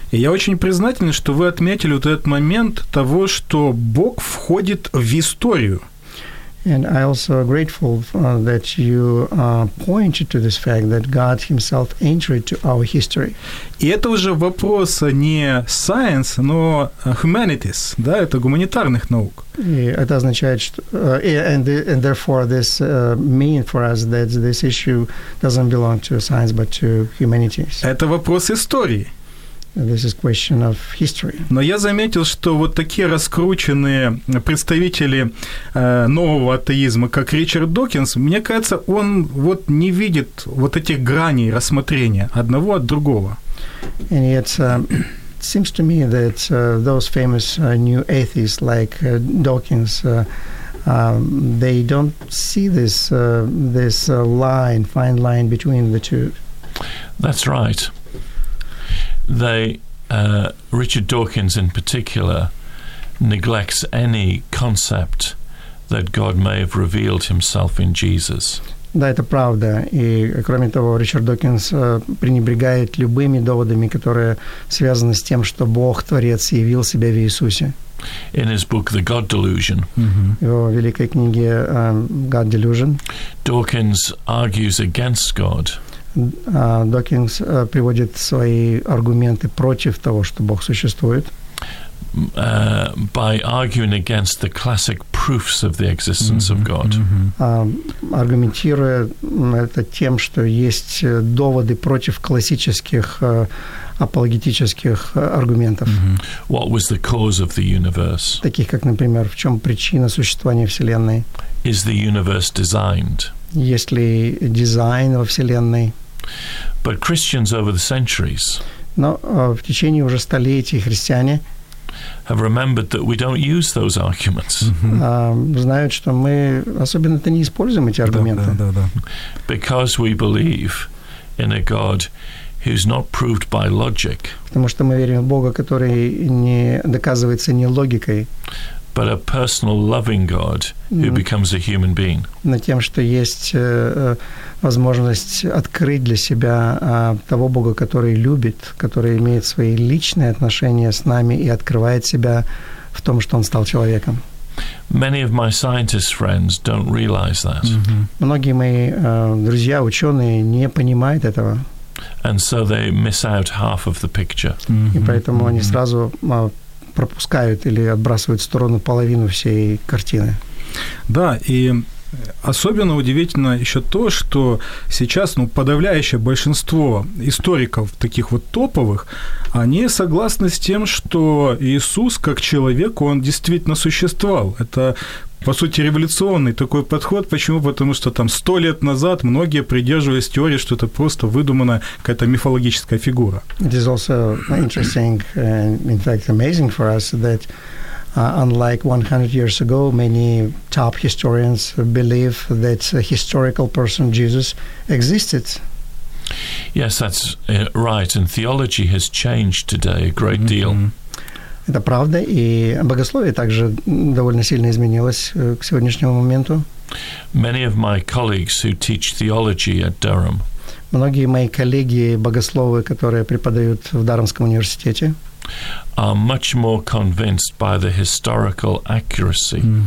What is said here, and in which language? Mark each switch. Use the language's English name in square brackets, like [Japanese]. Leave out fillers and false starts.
[Russian] И я очень признателен, что вы отметили вот этот момент того, что Бог входит в историю. [English] And I also grateful that you pointed to this fact that God himself entered to our history. [Russian] И это уже вопрос не science, но humanities, да, это гуманитарных наук. Это означает, что, [English] and therefore this means for us that this issue doesn't belong to science but to humanities. [Russian] Это вопрос истории. [English] This is question of history. [Russian] Но я заметил, что вот такие раскрученные представители нового атеизма, как Ричард Докинс, мне кажется, он вот не видит вот этих граней рассмотрения одного от другого. [English] And yet, it seems to me that those famous new atheists like Dawkins, they don't see this line, fine line between the two. That's right. They, Richard Dawkins in particular, neglects any concept that God may have revealed himself in Jesus. [Russian] Да, это правда. И, кроме того, Ричард Докинс пренебрегает любыми доводами, которые связаны с тем, что Бог, Творец, явил себя в Иисусе. [English] In his book The God Delusion, [Russian] его великой книге God Delusion, [English] Dawkins argues against God. [Russian] Докинс приводит свои аргументы против того, что Бог существует. [English] By arguing against the classic proofs of the existence of God. [Russian] Аргументируя это тем, что есть доводы против классических апологетических аргументов. [English] What was the cause of the universe? [Russian] Таких как, например, в чем причина существования Вселенной? [English] Is the universe designed? [Russian] Есть ли дизайн во Вселенной? [English] But Christians over the centuries [Russian] в течение уже столетий христиане [English] have remembered that we don't use those arguments. [Russian] Знают, что мы особенно-то не используем эти аргументы. Да. [English] Because we believe in a God who's not proved by logic. [Russian] Потому что мы верим в Бога, который не доказывается ни логикой. [English] But a personal loving God who becomes a human being. [Russian] На тем, что есть возможность открыть для себя того Бога, который любит, который имеет свои личные отношения с нами и открывает себя в том, что он стал человеком. [English] Many of my scientist friends don't realize that. [Russian] Многие мои друзья, ученые, не понимают этого. [English] And so they miss out half of the picture. [Russian] И поэтому они сразу пропускают или отбрасывают в сторону половину всей картины. Да, и особенно удивительно еще то, что сейчас подавляющее большинство историков, таких вот топовых, они согласны с тем, что Иисус как человек, он действительно существовал. Это, по сути, революционный такой подход. Почему? Потому что там 100 лет назад многие придерживались теории, что это просто выдуманная какая-то мифологическая фигура. [English] It is also interesting and in fact amazing for us that unlike 100 years ago, many top historians believe that a historical person, Jesus, existed. Yes, that's right. And theology has changed today a great deal. [Russian] Это правда, и богословие также довольно сильно изменилось к сегодняшнему моменту. [English] Many of my colleagues who teach theology at Durham. [Russian] Многие мои коллеги-богословы, которые преподают в Дармском университете, [English] are much more convinced by the historical accuracy.